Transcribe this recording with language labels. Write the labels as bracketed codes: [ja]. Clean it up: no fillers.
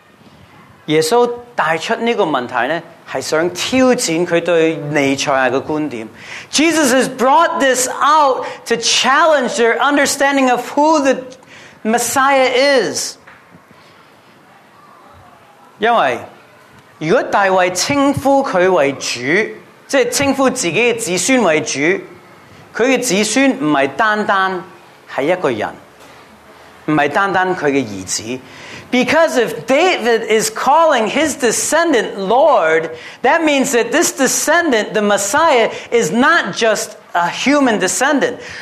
[zh] 神是不是这样?即是耶和华对耶和华说,主对我主说。耶稣带出这个问题呢? 是想挑战他对尼采的观点. [en] Jesus has brought this out to challenge their understanding of who the Messiah is. [zh] 因为如果大卫称呼他为主，即是称呼自己的子孙为主，他的子孙不是单单是一个人，不是单单他的儿子。 [en] Because if David is calling his descendant Lord, that means that this descendant, the Messiah, is not just a human descendant.